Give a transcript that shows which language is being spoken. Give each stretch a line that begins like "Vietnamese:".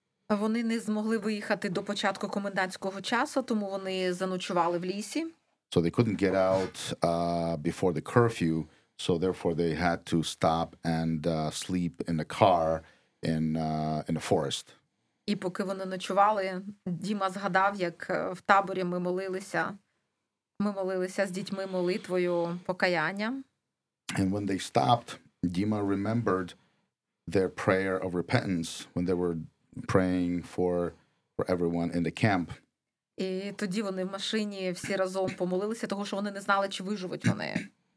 Ukrainian: Вони не змогли виїхати до початку комендантського часу, тому вони заночували в лісі.
English: So they couldn't get out before the curfew, so therefore they had to stop and sleep in a car in a forest.
Ukrainian: І поки вони ночували, Діма згадав, як в таборі ми молилися з дітьми молитвою покаяння.
English: And when they stopped, Dima remembered their prayer of repentance when they were praying for everyone in the camp.
Ukrainian: І тоді вони в машині всі разом помолилися, того, що вони не знали, чи виживуть вони.